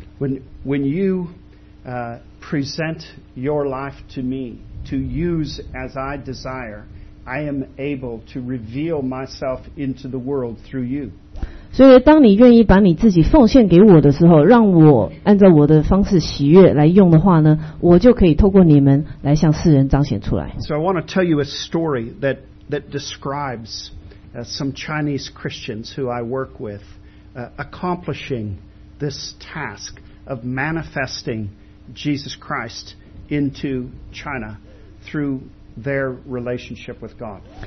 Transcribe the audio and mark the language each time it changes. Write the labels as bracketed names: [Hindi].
[English] When you present your life to me to use as I desire, I am able to reveal myself into the world through you. [Chinese] 所以当你愿意把你自己奉献给我的时候，让我按照我的方式喜悦来用的话呢，我就可以透过你们来向世人彰显出来。 [English] So I want to tell you a story that describes some Chinese Christians who I work with accomplishing this task of manifesting Jesus Christ into China through their relationship with God.